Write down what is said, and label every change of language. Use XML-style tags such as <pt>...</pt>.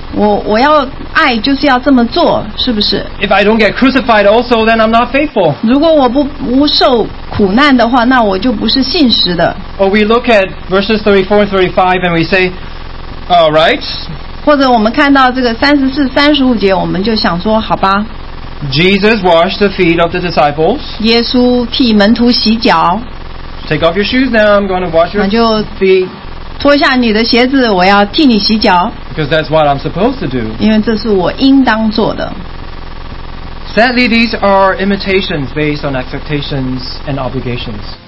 <zh>我要爱就是要这么做，是不是？</zh> <en>If I don't get crucified, also, then I'm not faithful.</en> <zh>如果我不受苦难的话，那我就不是信实的。</zh> <en>Or we look at verses 34 and 35, and we say, "All right."</en> <zh>或者我们看到这个34、35节，我们就想说，好吧。</zh> <en>Jesus washed the feet of the disciples.</en> <zh>耶稣替门徒洗脚。</zh> <en>Take off your shoes now. I'm going to wash your feet.</en> <zh>脱下你的鞋子, 我要替你洗脚,</zh> <en>because that's what I'm supposed to do.</en> <zh>因为这是我应当做的。</zh> <en>Sadly, these are imitations based on expectations and obligations.</en>